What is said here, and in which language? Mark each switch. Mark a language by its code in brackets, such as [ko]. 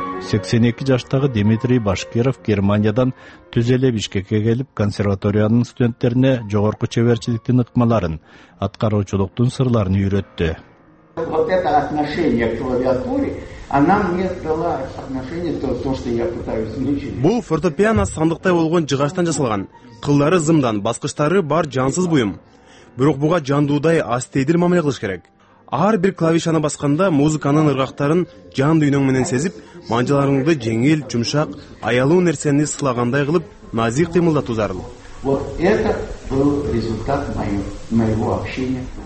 [ky] Сексен 82 жаштагы Дмитрий Башкиров Германиядан түз эле Бишкекке келип консерваториянын студенттерине жогорку чеберчиликтин ыкмаларын, аткаруучулуктун сырларын үйрөттү. [ru] Вот это отношение к клавиатуре, она мне дала отношение то, что я пытаюсь научить. [ky] Бул фортепиано сандыктай болгон жыгачтан жасалган. Кыллары зымдан, баскычтары бар жансыз буюм. Бирок буга жандуудай астейдир мамиле кылыш керек. Ар бир клавишаны басканда музыканын ыргактарын жан дүйнөң менен сезип, манжаларыңды жеңил, жумшак, аялуу нерсени сылагандай кылып, назик кыймылдатуу зарыл. [ru] Вот это был результат моего общения.